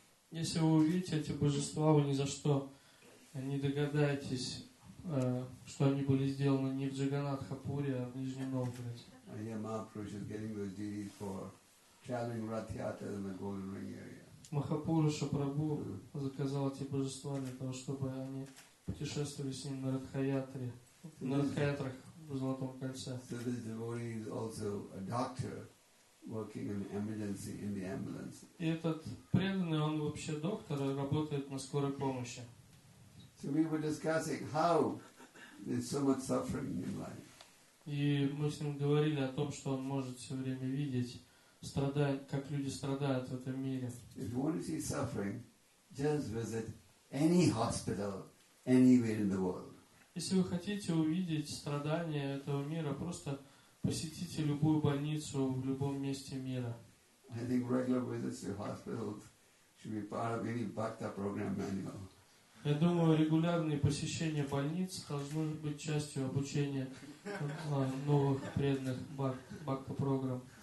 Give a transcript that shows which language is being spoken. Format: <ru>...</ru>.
<ru>Если вы увидите эти божества, вы ни за что не догадаетесь, что они были сделаны не в Джаганатхапуре, а в Нижнем Новгороде. Махапуруша Прабху заказал эти божества для того, чтобы они путешествовали с ним на Радхаятре, на Радхаятрах в Золотом Кольце.</ru> <en>So this devotee is also a doctor working in emergency in the ambulance.</en> <ru>И этот преданный, он вообще доктор, работает на скорой помощи.</ru> <en>So we were discussing how there's so much suffering in life.</en> <ru>И мы с ним говорили о том, что он может все время видеть, страдает, как люди страдают в этом мире.</ru> <en>If you want to see suffering, just visit any hospital anywhere in the world.</en> <ru>Если вы хотите увидеть страдания этого мира, просто посетите любую больницу в любом месте мира.</ru> <en>I think regular visits to hospitals should be part of any Bhakta program manual.</en> <ru>Я думаю, регулярные посещения больниц должны быть частью обучения новых преданных Бхакта программ.</ru>